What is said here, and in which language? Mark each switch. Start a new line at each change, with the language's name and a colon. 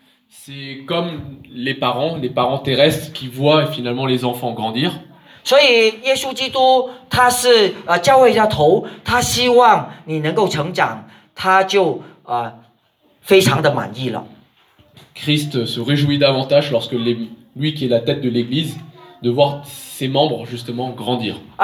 French: C'est comme les parents terrestres qui voient finalement les enfants grandir.
Chinese: 所以耶稣基督他是教会的头，他希望你能够成长，他就。
French: Christ se réjouit davantage lorsque lui qui est la tête de l'Église de voir ses membres justement grandir.